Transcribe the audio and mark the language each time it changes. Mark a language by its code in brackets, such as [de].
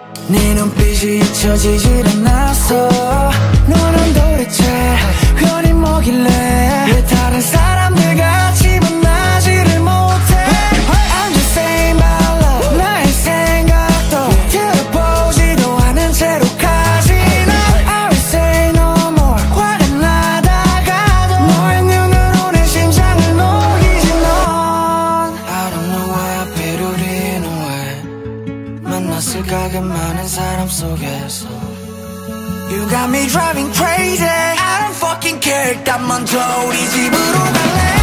[ko] 네 눈빛이 잊혀지질 않았어. 너는 도대체 흔히 뭐길래 왜 다른 사람들 같이 만나지를 못해. [en] Hey, I'm just saying my love. [ko] 나의 생각도 들어보지도 않은 채로 가지 나. [en] I will say no more. [ko] 화가 나다가도 너의 눈으로 내 심장을 녹이지 넌. [en] I don't know why I bet it in a way. [ko] 만났을까 그 많은 사람 속에서. [en] You got me driving crazy. I don't fucking care. [ko] 난 먼저 우리 집으로 갈래.